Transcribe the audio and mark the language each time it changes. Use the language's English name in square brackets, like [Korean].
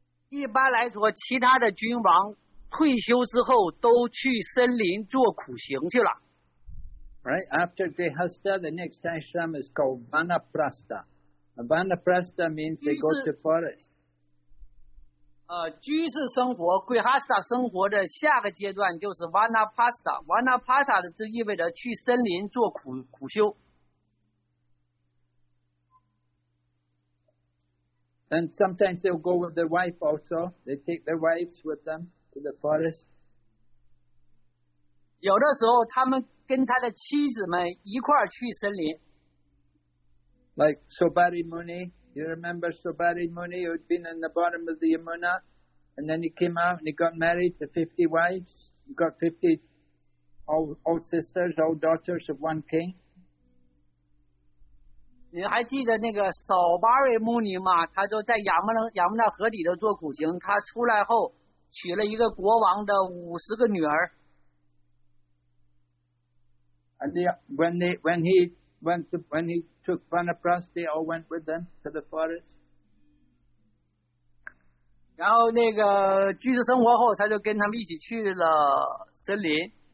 [Chinese] 一般来说，其他的君王退休之后都去森林做苦行去了。 [English] Right after Grihastha, the next ashram is called Vanaprastha. Vanaprastha means they go to forest. [Chinese] 居士生活 ，Grihastha 生活的下个阶段就是 Vanaprastha. Vanaprastha 就意味着去森林做苦修。 [English] And sometimes they'll go with their wife also. They take their wives with them to the forest. [Chinese] 有的时候他们跟他的妻子们一块儿去森林。 [English] Like Sobari Muni. You remember Sobari Muni who had been in the bottom of the Yamuna? And then he came out and he got married to 50 wives. He got 50 all sisters, all daughters of one king. [Chinese] 你还记得那个扫巴瑞穆尼吗？他就在亚摩那河底的做苦行，他出来后娶了一个国王的50个女儿。 [English] And when he took Vanaprastha, they all went with them to the forest. [Chinese] 然后那个居士生活后，他就跟他们一起去了森林。